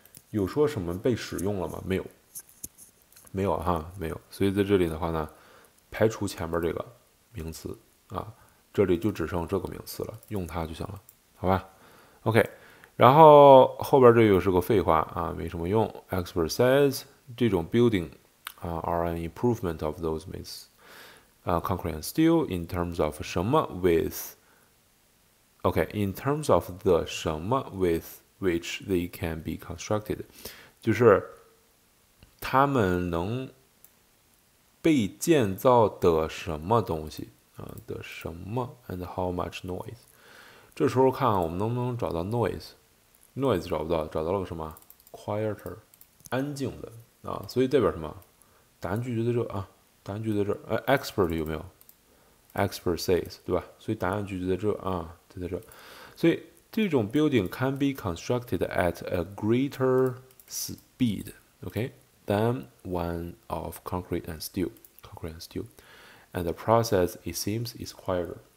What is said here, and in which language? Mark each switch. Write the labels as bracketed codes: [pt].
[zh] 有说什么被使用了吗？没有，没有哈，没有。所以在这里的话呢，排除前面这个名词啊，这里就只剩这个名词了，用它就行了，好吧？OK，然后后边这又是个废话啊，没什么用。 [en] Expert says [zh] 这种 [en] building 啊 are an improvement of those myths 啊 concrete and steel in terms of 什么 with OK，in terms of the 什么 with。 Which they can be constructed， [zh] 就是他们能被建造的什么东西啊的什么？ [en] And how much noise？ [zh] 这时候看我们能不能找到 noise，noise 找不到，找到了个什么？quieter，安静的啊，所以代表什么？答案句就在这啊，答案句在这。 expert 有没有？ [en] expert says [zh] 对吧？所以答案句就在这啊，就在这，所以。这种 [en] building can be constructed at a greater speed, okay, than one of concrete and steel. Concrete and steel, and the process it seems is quieter.